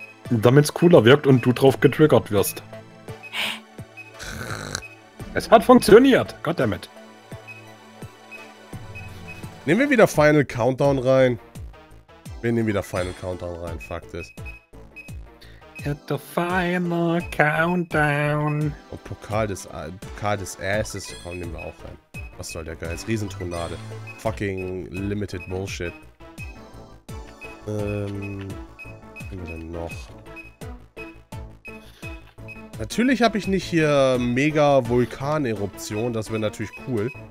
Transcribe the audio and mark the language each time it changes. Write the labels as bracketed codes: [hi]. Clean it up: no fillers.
[de] Damit es cooler wirkt und du drauf getriggert wirst. Es hat funktioniert. Goddammit. Nehmen wir wieder Final Countdown rein. Wir nehmen wieder Final Countdown rein, Fakt ist. [en] Hit the Final Countdown. [de] Und Pokal des Asses, komm, nehmen wir auch rein. Was soll der Geist? Riesentornade. Fucking Limited Bullshit. Was haben wir denn noch? Natürlich habe ich nicht hier Mega Vulkaneruption, das wäre natürlich cool.